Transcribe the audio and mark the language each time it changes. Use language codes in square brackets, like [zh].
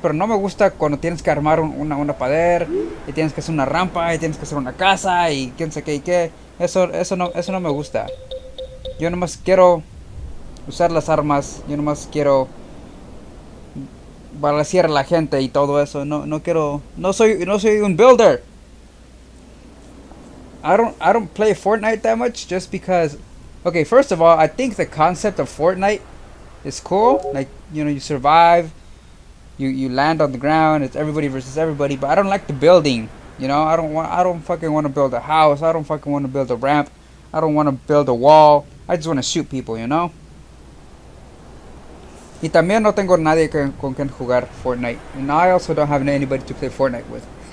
[es] Pero no me gusta cuando tienes que armar una pared y tienes que hacer una rampa y tienes que hacer una casa y quién sabe qué y qué. Eso no me gusta. Yo nomás quiero usar las armas. Yo nomás quiero balancear a la gente y todo eso. No quiero. No soy un builder. [en] I don't play Fortnite that much just because. Okay, first of all, I think the concept of Fortnite is cool. Like, you know, you survive, you land on the ground, it's everybody versus everybody, but I don't like the building. You know, I don't fucking want to build a house. I don't fucking want to build a ramp. I don't want to build a wall. I just want to shoot people, you know? [es] Y también no tengo nadie con quien jugar Fortnite. [en] And I also don't have anybody to play Fortnite with.